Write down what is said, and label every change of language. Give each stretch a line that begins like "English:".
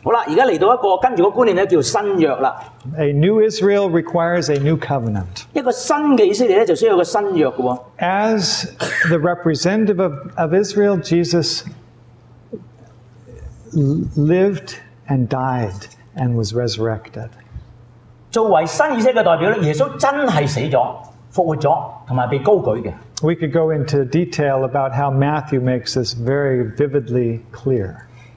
Chinese: 好了,
English: a new Israel requires a new covenant.
Chinese: 一個新的以色列呢,
English: as the representative of Israel, Jesus lived and died and was resurrected.
Chinese: 作為新以色列的代表,耶穌真的死了,復活了,而且被高舉的。
English: We could go into detail about how Matthew makes this very vividly clear.